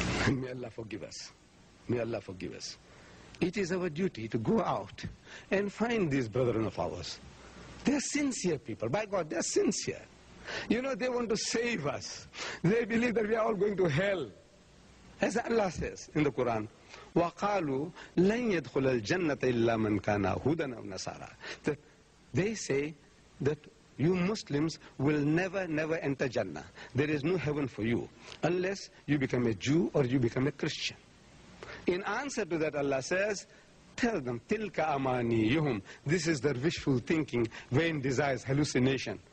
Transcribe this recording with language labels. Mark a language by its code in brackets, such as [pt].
[en] May Allah forgive us. May Allah forgive us. It is our duty to go out and find these brethren of ours. They're sincere people. By God, they're sincere. You know, they want to save us. They believe that we are all going to hell. As Allah says in the Quran, [ar] وَقَالُوا لَنْ يَدْخُلَ الْجَنَّةَ إِلَّا مَنْ كَانَ هُدًا أَوْ نَصَارَى. [en] They say that you Muslims will never enter Jannah. There is no heaven for you unless you become a Jew or you become a Christian. In answer to that, Allah says, tell them, [ar] tilka amaniyuhum. [en] This is their wishful thinking, vain desires, hallucination.